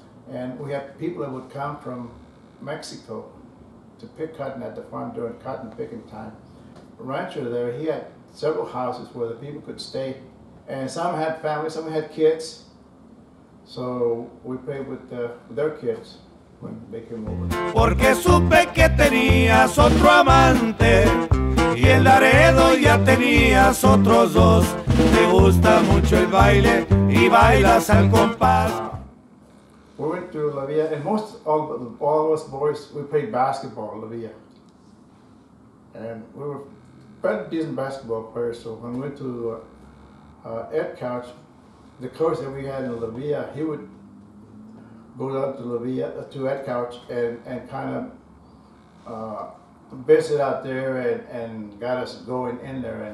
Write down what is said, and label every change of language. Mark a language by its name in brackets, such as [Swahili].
[English] And we had people that would come from Mexico to pick cotton at the farm during cotton picking time. The rancher there, he had several houses where the people could stay. And some had family, some had kids. So we played with their kids when they came over. [Spanish] Porque supe que tenías otro amante, y en Laredo ya tenías otros dos. Te gusta mucho el baile, y bailas al compás. [English] We went to La Villa, and most all of us boys, we played basketball at La Villa. And we were pretty decent basketball players, so when we went to Edcouch, the coach that we had in La Villa, he would go down to La Villa, to Edcouch, and kind of visit out there and got us going in there.